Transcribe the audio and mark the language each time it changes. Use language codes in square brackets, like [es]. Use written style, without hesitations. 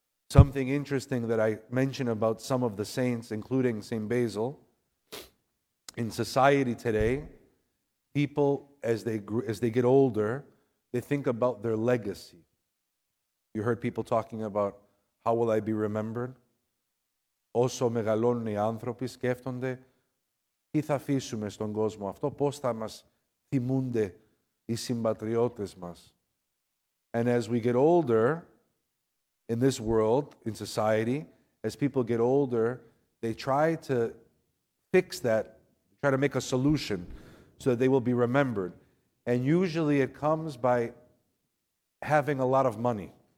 [en] Something interesting that I mention about some of the saints, including St. Basil, in society today, people, as they get older, they think about their legacy. You heard people talking about, how will I be remembered? [el] Όσο μεγαλώνουν οι άνθρωποι, σκέφτονται, τι θα αφήσουμε στον κόσμο αυτό, πώς θα μας θυμούνται οι συμπατριώτες μας. [en] And as we get older in this world, in society, as people get older, they try to fix that, try to make a solution so that they will be remembered. And usually it comes by having a lot of money.